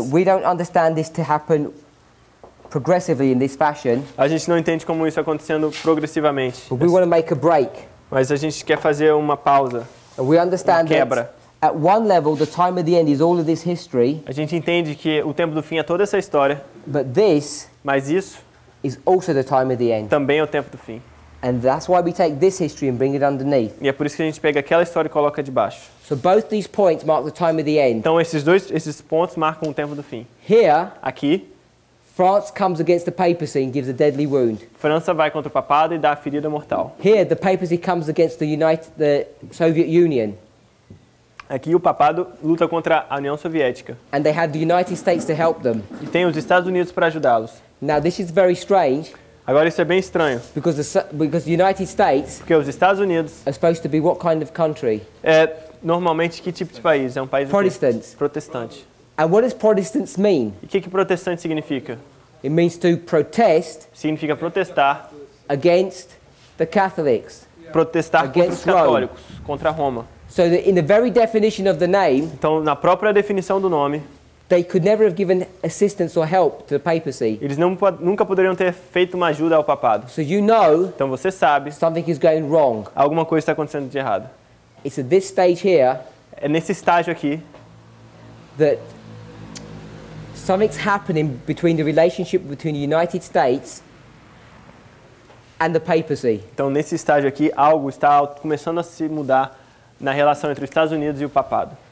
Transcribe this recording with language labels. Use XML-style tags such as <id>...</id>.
<en>That we don't understand this to happen progressively in this fashion.</en> <pt>A gente não entende como isso acontecendo progressivamente.</pt> <en>But we want to make a break.</en> <pt>Mas a gente quer fazer uma pausa.</pt> <en>And we understand</en> <pt>uma quebra.</pt> <en>That at one level, the time of the end is all of this history.</en> <pt>A gente entende que o tempo do fim é toda essa história.</pt> <en>But this,</en> <pt>mas isso,</pt> <en>is also the time of the end.</en> <pt>Também é o tempo do fim.</pt> <en>And that's why we take this history and bring it underneath.</en> <pt>E é por isso que a gente pega aquela história e coloca debaixo.</pt> <en>So both these points mark the time of the end.</en> <pt>Então esses pontos marcam o tempo do fim.</pt> <en>Here,</en> <pt>aqui,</pt> <en>France comes against the papacy and gives a deadly wound.</en> <pt>França vai contra o papado e dá a ferida mortal.</pt> <en>Here, the papacy comes against the Soviet Union.</en> <pt>Aqui o papado luta contra a União Soviética.</pt> <en>And they had the United States to help them.</en> <pt>E tem os Estados Unidos para ajudá-los.</pt> <en>Now this is very strange.</en> <pt>Agora isso é bem estranho.</pt> <en>Because the United States.</en> <pt>Porque os Estados Unidos.</pt> <en>Are supposed to be what kind of country?</en> <pt>É normalmente que tipo de país? É um país</pt> <en>Protestants.</en> <pt>Protestante.</pt> <en>And what does Protestants mean?</en> <pt>E que protestante significa?</pt> <en>It means to protest.</en> <pt>Significa protestar.</pt> <en>Against the Catholics.</en> <pt>Protestar</pt> <en>against</en> <pt>contra os católicos. Rome. Contra Roma.</pt> <en>So that in the very definition of the name,</en> <pt>então, na própria definição do nome,</pt> <en>they could never have given assistance or help to the papacy.</en> <pt>Eles nunca poderiam ter feito uma ajuda ao papado.</pt> <en>So you know,</en> <pt>então você sabe,</pt> <en>something is going wrong.</en> <pt>Alguma coisa está acontecendo de errado.</pt> <en>It's at this stage here,</en> <pt>é nesse estágio aqui,</pt> <en>that something's happening between the relationship between the United States and the papacy.</en> <pt>Então nesse estágio aqui, algo está começando a se mudar na relação entre os Estados Unidos e o papado.</pt>